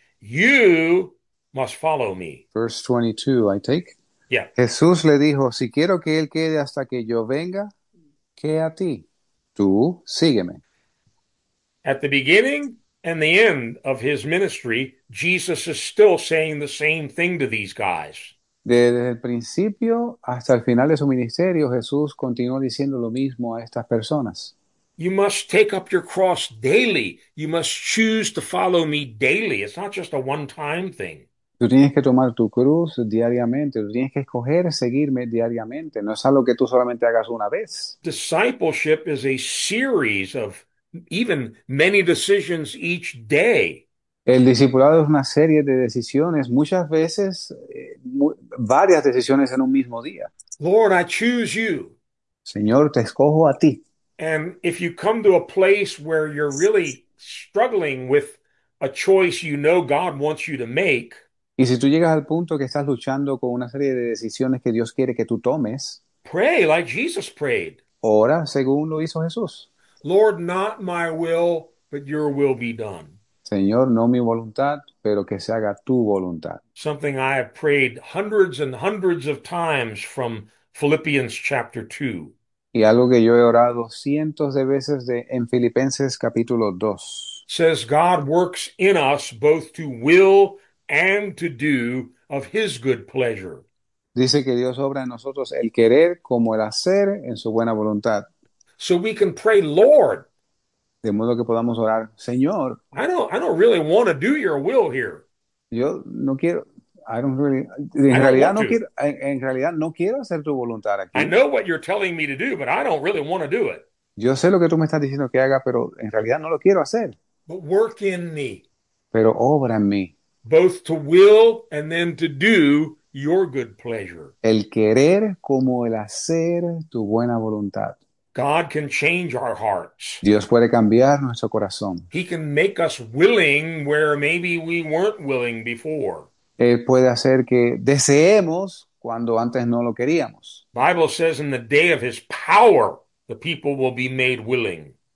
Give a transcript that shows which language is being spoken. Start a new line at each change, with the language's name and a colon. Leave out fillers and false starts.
English: You must follow me. Verse 22, I take.
Spanish: Jesús le dijo, si quiero que él quede hasta que yo venga, ¿qué a ti? Tú sígueme.
English: At the beginning and the end of his ministry, Jesus is still saying the same thing to these guys.
Spanish: Desde el principio hasta el final de su ministerio, Jesús continuó diciendo lo mismo a estas personas.
English: You must take up your cross daily. You must choose to follow me daily. It's not just a one-time thing.
Spanish: Tú tienes que tomar tu cruz diariamente, tú tienes que escoger seguirme diariamente, no es algo que tú solamente hagas una vez.
English: Discipleship is a series of even many decisions each day.
Spanish: El discipulado es una serie de decisiones, muchas veces, varias decisiones en un mismo día.
English: Lord, I choose you.
Spanish: Señor, te escojo a ti.
English: And if you come to a place where you're really struggling with a choice you know God wants you to make,
Spanish: Y si tú llegas al punto que estás luchando con una serie de decisiones que Dios quiere que tú tomes,
English: pray like Jesus prayed.
Spanish: ora según lo hizo Jesús.
English: Lord, not my will, but your will be done.
Spanish: Señor, no mi voluntad, pero que se haga tu voluntad.
English: Something I have prayed hundreds and hundreds of times from Philippians chapter 2.
Spanish: Y algo que yo he orado cientos de veces en Filipenses capítulo 2.
English: Says God works in us both to will and to do of his good pleasure.
Spanish: Dice que Dios obra en nosotros el querer como el hacer en su buena voluntad.
English: So we can pray, Lord,
Spanish: De modo que podamos orar, Señor.
English: I don't really want to do your will here.
Spanish: Yo no quiero,
English: I don't really, I don't want to.
Spanish: en realidad no quiero hacer tu voluntad
English: I
Spanish: aquí.
English: know what you're telling me to do, but I don't really want to do it.
Spanish: Yo sé lo que tú me estás diciendo que haga, pero en realidad no lo quiero hacer.
English: But work in me,
Spanish: Pero obra en mí.
English: both to will and then to do your good pleasure.
Spanish: El querer como el hacer tu buena voluntad.
English: God can change our hearts.
Spanish: Dios puede cambiar nuestro corazón.
English: He can make us willing where maybe we weren't willing before.
Spanish: Él puede hacer que deseemos cuando antes no lo queríamos.
English: Bible says in the day of his power, the people will be made willing.